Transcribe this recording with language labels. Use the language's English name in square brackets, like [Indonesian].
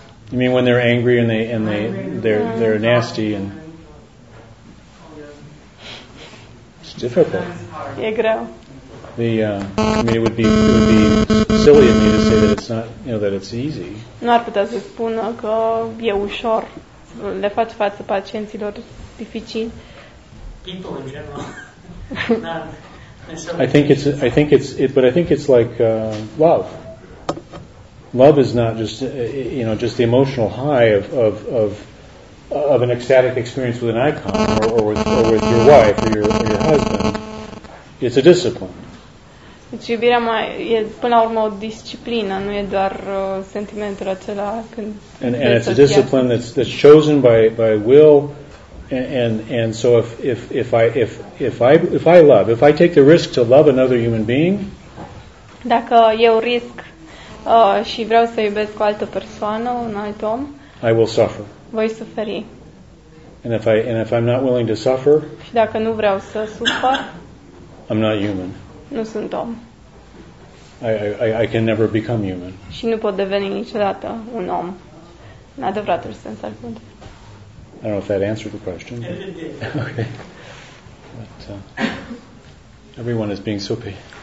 [English] You mean when they're angry and they're nasty and it's difficult. [Romanian] E greu. [English] The I mean it would be silly of me to say that it's not, you know, that it's easy. [Romanian] Nu ar putea să spună că e ușor să le faci față pacienților dificili. [English] I think it's like love. Love is not just you know just the emotional high of an ecstatic experience with an icon or with your wife or your husband. It's a discipline. [Romanian] Deci iubirea mai e până la urmă o disciplină, nu e doar sentimentul acela când [English] and it's a discipline that's chosen by will. And so if I take the risk to love another human being, [Romanian] dacă eu risc și vreau să iubesc o altă persoană, un alt om, [English] I will suffer. [Romanian] Voi suferi. [English] And if I'm not willing to suffer, [Romanian] și dacă nu vreau să sufăr, [English] I'm not human. [Romanian] Nu sunt om. [English] I can never become human. [Romanian] Și nu pot deveni niciodată un om. În adevăratul sens al cuvântului. [English] I don't know if that answered the question. But, okay. But everyone is being soupy.